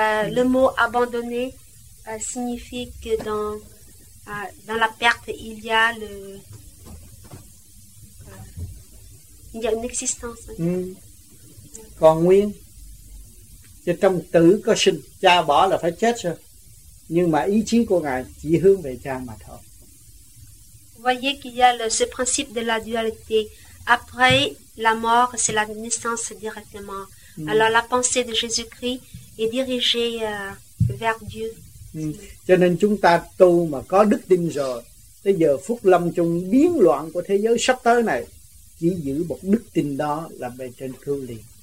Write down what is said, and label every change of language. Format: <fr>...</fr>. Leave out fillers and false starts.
<fr>Le mot abandonner signifie que dans la perte il y a le il y a une existence.</fr> <vi>Còn nguyên. Cho trong tử có sinh, cha bỏ là phải chết rồi. Nhưng mà ý chí của Ngài chỉ hướng về cha mà thôi.</vi> <fr>Vous voyez qu'il y a ce principe de la dualité. Après la mort, c'est la naissance directement. Alors la pensée de Jésus-Christ est dirigée vers Dieu.</fr> <vi>Cho nên chúng ta tu mà có đức tin rồi, tới giờ phút lâm chung biến loạn của thế giới sắp tới này, chỉ giữ một đức tin đó là bề trên cứu liền.</vi>